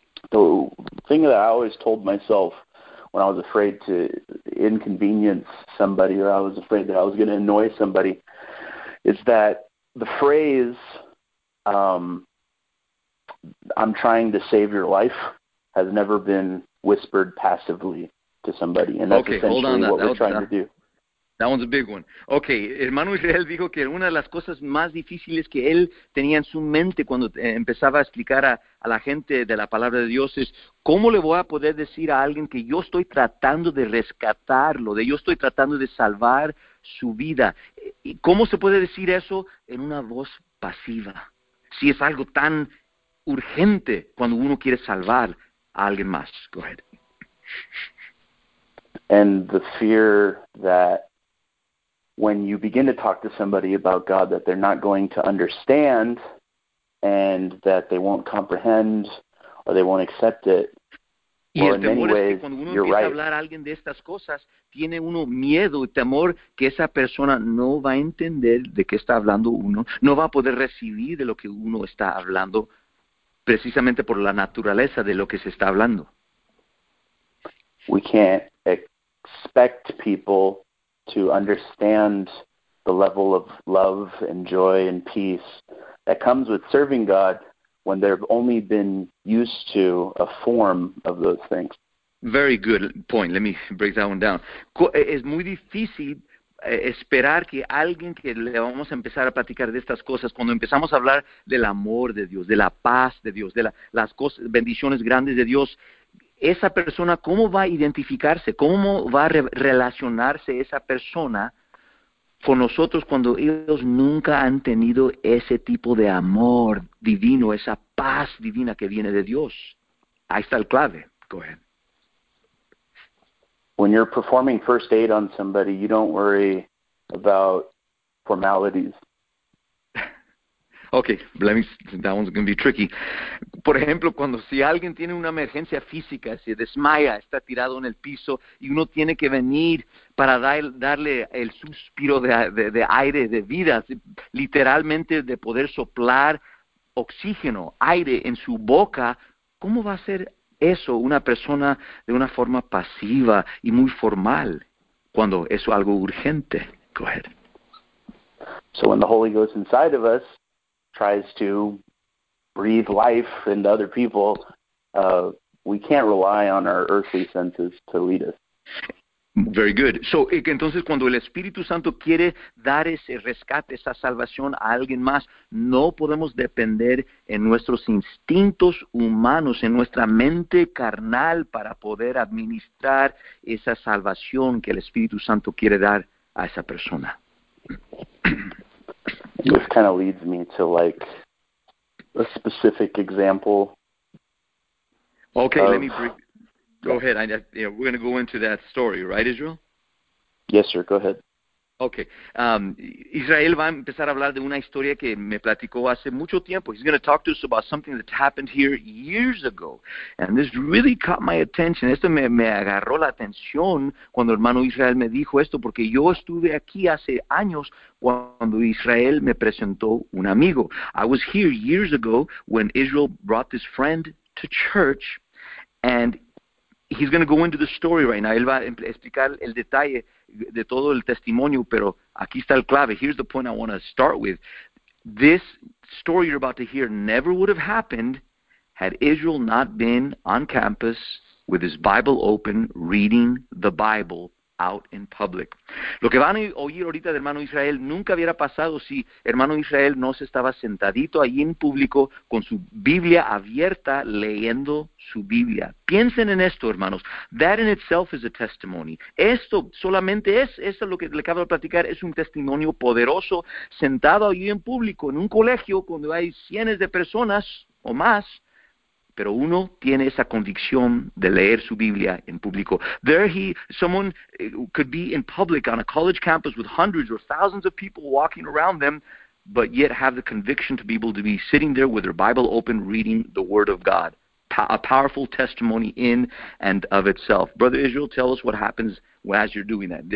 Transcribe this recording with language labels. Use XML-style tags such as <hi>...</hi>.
<en>The thing that I always told myself when I was afraid to inconvenience somebody, or I was afraid that I was going to annoy somebody, is that the phrase, I'm trying to save your life, has never been whispered passively to somebody. And that's okay, essentially hold on, what we're trying to do. That one's a big one.</en> <es>Okay, hermano Israel dijo que una de las cosas más difíciles que él tenía en su mente cuando empezaba a explicar a la gente de la palabra de Dios es, ¿cómo le voy a poder decir a alguien que yo estoy tratando de rescatarlo, de yo estoy tratando de salvar su vida? ¿Y cómo se puede decir eso en una voz pasiva? Si es algo tan urgente cuando uno quiere salvar a alguien más.</es> <en>Go ahead. And the fear that when you begin to talk to somebody about God, that they're not going to understand and that they won't comprehend or they won't accept it.</en> <es>Y el temor es que cuando uno empieza a hablar a alguien de estas cosas, tiene uno miedo y temor que esa persona no va a entender de qué está hablando uno, no va a poder recibir de lo que uno está hablando, precisamente por la naturaleza de lo que se está hablando.</es> <en>We can't expect people to understand the level of love and joy and peace that comes with serving God when they've only been used to a form of those things. Very good point. Let me break that one down.</en> <es>Es muy difícil esperar que alguien que le vamos a empezar a platicar de estas cosas, cuando empezamos a hablar del amor de Dios, de la paz de Dios, de las cosas, bendiciones grandes de Dios, esa persona, ¿cómo va a identificarse? ¿Cómo va a relacionarse esa persona con nosotros cuando ellos nunca han tenido ese tipo de amor divino, esa paz divina que viene de Dios? Ahí está el clave.</es> <en>Go ahead. When you're performing first aid on somebody, you don't worry about formalities. Okay, let me, that one's going to be tricky.</en> <es>Por ejemplo, cuando si alguien tiene una emergencia física, se desmaya, está tirado en el piso, y uno tiene que venir para darle el suspiro de aire, de vida, literalmente de poder soplar oxígeno, aire en su boca, ¿cómo va a ser eso una persona de una forma pasiva y muy formal cuando es algo urgente?</es> <en>Go ahead. So when the Holy Ghost inside of us tries to breathe life into other people, we can't rely on our earthly senses to lead us. Very good.</en> <es>So, entonces, cuando el Espíritu Santo quiere dar ese rescate, esa salvación a alguien más, no podemos depender en nuestros instintos humanos, en nuestra mente carnal, para poder administrar esa salvación que el Espíritu Santo quiere dar a esa persona.</es> <en>This kind of leads me to, like, a specific example. Okay, let me bring... Go ahead. We're going to go into that story, right, Israel? Yes, sir. Go ahead. Okay.</en> <es>Israel va a empezar a hablar de una historia que me platicó hace mucho tiempo.</es> <en>He's going to talk to us about something that happened here years ago. And this really caught my attention.</en> <es>Esto me agarró la atención cuando el hermano Israel me dijo esto, porque yo estuve aquí hace años cuando Israel me presentó un amigo.</es> <en>I was here years ago when Israel brought this friend to church, and he's going to go into the story right now.</en> <es>Él va a explicar el detalle de todo el testimonio, pero aquí está el clave.</es> <en>Here's the point I want to start with. This story you're about to hear never would have happened had Israel not been on campus with his Bible open, reading the Bible out in public.</en> <es>Lo que van a oír ahorita de hermano Israel nunca hubiera pasado si hermano Israel no se estaba sentadito ahí en público con su Biblia abierta leyendo su Biblia. Piensen en esto, hermanos.</es> <en>That in itself is a testimony.</en> <es>Esto solamente es, eso es lo que le acabo de platicar, es un testimonio poderoso, sentado ahí en público en un colegio cuando hay cientos de personas o más. Pero uno tiene esa convicción de leer su Biblia en público.</es> <en>There he, someone could be in public on a college campus with hundreds or thousands of people walking around them, but yet have the conviction to be able to be sitting there with their Bible open reading the Word of God. A powerful testimony in and of itself. Brother Israel, tell us what happens as you're doing that.</en>